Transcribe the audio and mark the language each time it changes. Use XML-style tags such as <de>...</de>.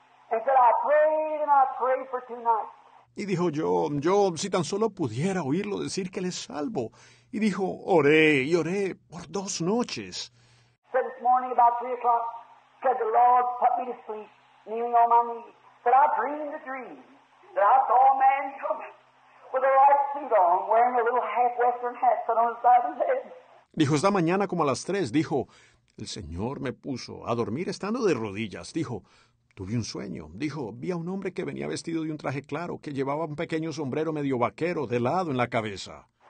<en>And said, I prayed for two nights.</en> <es>Y dijo yo, si tan solo pudiera oírlo decir que le salvo. Y dijo, oré y oré por dos noches.</es> <en>Said this morning about 3 o'clock, said the Lord put me to sleep, kneeling on my knees. Said I dreamed a dream that I saw a man coming with a white suit on, wearing a little half-western hat set on the side of his head.</en> <es>Dijo, esta mañana como a las 3, dijo, el Señor me puso a dormir estando de rodillas. Dijo, tuve un sueño. Dijo, vi a un hombre que venía vestido de un traje claro, que llevaba un pequeño sombrero medio vaquero de lado en la cabeza.</es>